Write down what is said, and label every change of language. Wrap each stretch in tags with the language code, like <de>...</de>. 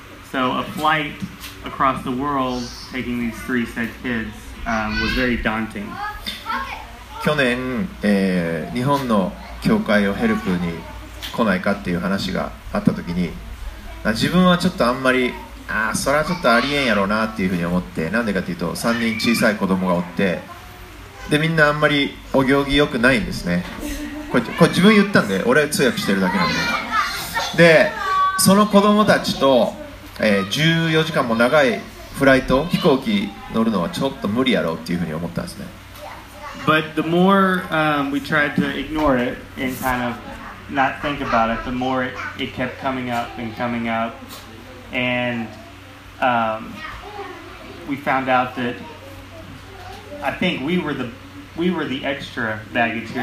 <en>So a flight across the world taking these three said kids was very daunting.</en> <ja>去年、日本の教会をヘルプに来ないかっていう話があった時に、自分はちょっとあんまり、ああそれはちょっとありえんやろうなっていうふうに思って、なんでかっていうと3人小さい子供がおって、でみんなあんまりお行儀良くないんですね。これ自分言ったんで、俺通訳してるだけなんで。でその子供たちと、14時間も長いフライト、飛行機乗るのはちょっと無理やろうっていうふうに思ったんですね。</ja> <en>But the more we tried to ignore it and kind of not think about it, the more it kept coming up and coming up. And we found out that I think we were the extra baggage here.</en>